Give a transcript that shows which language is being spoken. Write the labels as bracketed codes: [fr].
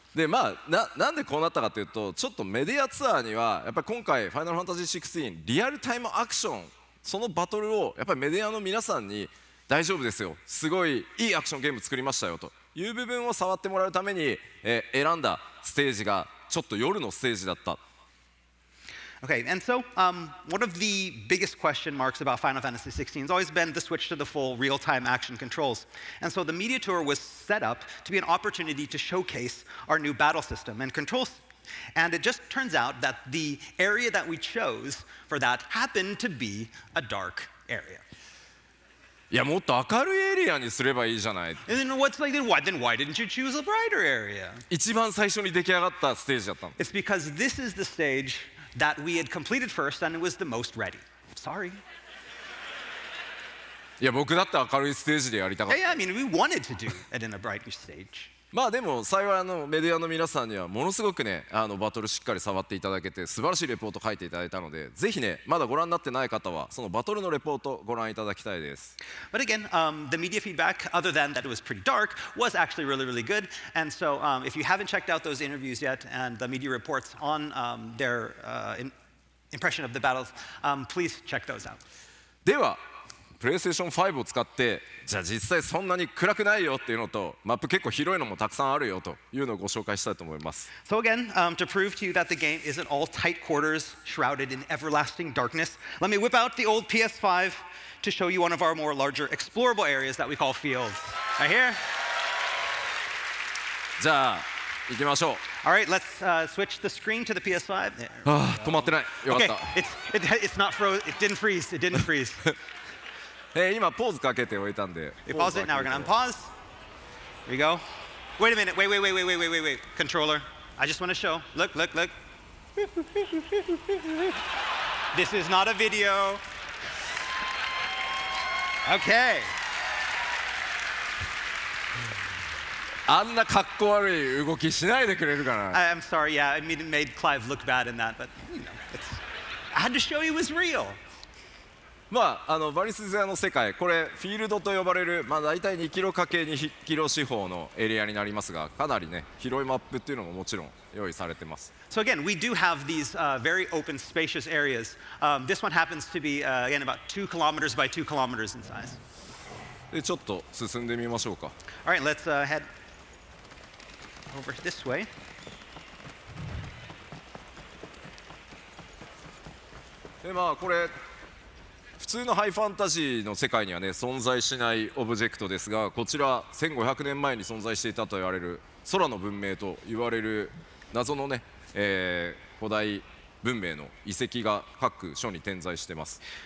[ja] でまあ、なんでこうなったかというと、ちょっとメディアツアーには、やっぱり今回、ファイナルファンタジー16、リアルタイムアクション、そのバトルを、やっぱりメディアの皆さんに、大丈夫ですよ、すごいいいアクションゲーム作りましたよという部分を触ってもらうために、選んだステージが、ちょっと夜のステージだった。 [en] Okay, and so one of the biggest question marks about Final Fantasy 16 has always been the switch to the full real-time action controls. And so the media tour was set up to be an opportunity to showcase our new battle system and controls. And it just turns out that the area that we chose for that happened to be a dark area. [ja] いや、もっと明るいエリアにすればいいじゃない。 [en] And then what's like, then why didn't you choose a brighter area? [ja] 一番最初に出来上がったステージだったの。 [en] It's because this is the stage... that we had completed first and it was the most ready. Sorry. [ja] いや、僕だって明るいステージでやりたかった。 [en] Yeah, I mean, we wanted to do it in a bright stage. [ja] まあでも、幸いメディアの皆さんにはものすごくね、バトルしっかり触っていただけて、素晴らしいレポート書いていただいたので、ぜひね、まだご覧になってない方は、そのバトルのレポートご覧いただきたいです。 [en] But again, the media feedback, other than that it was pretty dark, was actually really, really good. And so, if you haven't checked out those interviews yet and the media reports on their impression of the battles, please check those out. [ja] では、PlayStation 5を使って、じゃあ実際そんなに暗くないよっていうのと、マップ結構広いのもたくさんあるよというのをご紹介したいと思います。 [en] So again, to prove to you that the game isn't all tight quarters shrouded in everlasting darkness, let me whip out the old PS5 to show you one of our more larger explorable areas that we call fields. Right here. [ja] じゃあ、行きましょう。 [en] All right, let's switch the screen to the PS5. [ja] ああ、止まってない。よかった。 [en] Okay, it's not froze. It didn't freeze. [ja] 今ポーズかけておいたんで。 [en] Pause it now. We're gonna unpause. Here we go. Wait a minute. Wait. Controller. I just want to show. Look. This is not a video. Okay. [ja] あんなかっこ悪い動きしないでくれるかな。 [en] I'm sorry. Yeah, I mean, it made Clive look bad in that, but you know, I had to show he was real. [ja] まあ、あの、バリスゼアの世界、これフィールドと呼ばれる、まあ、大体2キロ ×2 キロ四方のエリアになりますが、かなりね、広いマップっていうのももちろん用意されてます。 [en] So again, we do have these very open, spacious areas. This one happens to be, again, about 2 kilometers by 2 kilometers in size. [ja] で、ちょっと進んでみましょうか。 [en] All right, let's head over this way. [ja] でまあ、これ普通のハイファンタジーの世界には、ね、存在しないオブジェクトですが、こちら1500年前に存在していたと言われる空の文明と言われる謎の、ね、古代文明の遺跡が各所に点在しています。